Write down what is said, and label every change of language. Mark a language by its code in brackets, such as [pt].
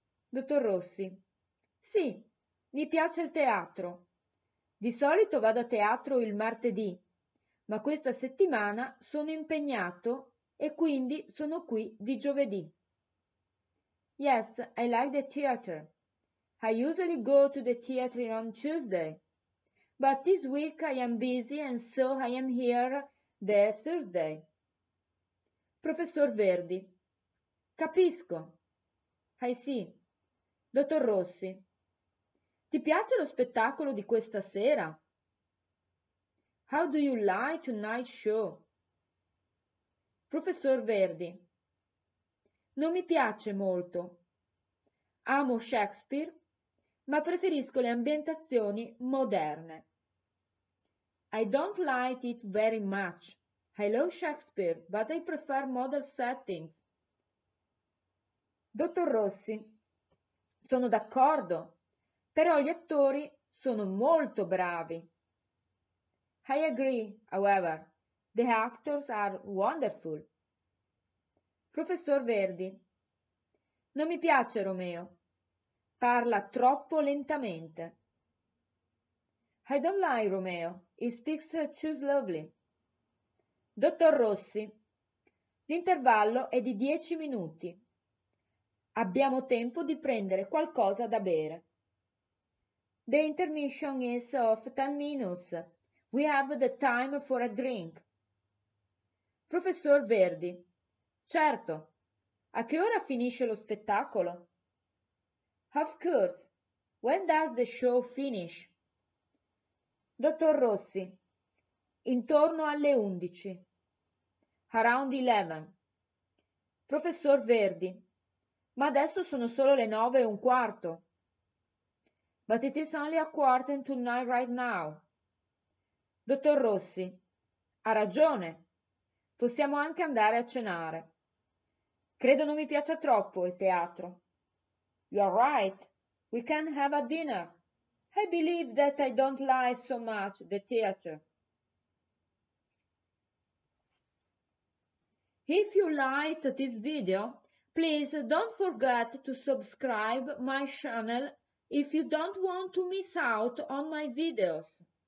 [it] Dottor Rossi. Sì, mi piace il teatro. Di solito vado a teatro il martedì, ma questa settimana sono impegnato e quindi sono qui di giovedì. [en] Yes, I like the theater. I usually go to the theater on Tuesday, but this week I am busy and so I am here the Thursday. [it] Professor Verdi. Capisco. [en] I see. [it] Dottor Rossi. Ti piace lo spettacolo di questa sera? [en] How do you like tonight's show? [it] Professor Verdi. Non mi piace molto. Amo Shakespeare, ma preferisco le ambientazioni moderne. [en] I don't like it very much. I love Shakespeare, but I prefer modern settings. [it] Dottor Rossi, sono d'accordo, però gli attori sono molto bravi. [en] I agree, however, the actors are wonderful. [it] Professor Verdi, non mi piace Romeo. Parla troppo lentamente. [en] I don't like Romeo. He speaks too slowly. [it] Dottor Rossi, l'intervallo è di 10 minuti. Abbiamo tempo di prendere qualcosa da bere. [en] The intermission is of 10 minutes. We have the time for a drink. [it] Professor Verdi, certo. A che ora finisce lo spettacolo? [en] Of course. When does the show finish? [it] Dottor Rossi. Intorno alle 11. [en] Around 11. [it] Professor Verdi. Ma adesso sono solo le 9:15. [en] But it is only a quarter to nine right now. [it] Dottor Rossi. Ha ragione. Possiamo anche andare a cenare. Credo non mi piaccia troppo il teatro. [en] You are right. We can have a dinner. I believe that I don't like so much the theater. If you liked this video, please don't forget to subscribe my channel if you don't want to miss out on my videos.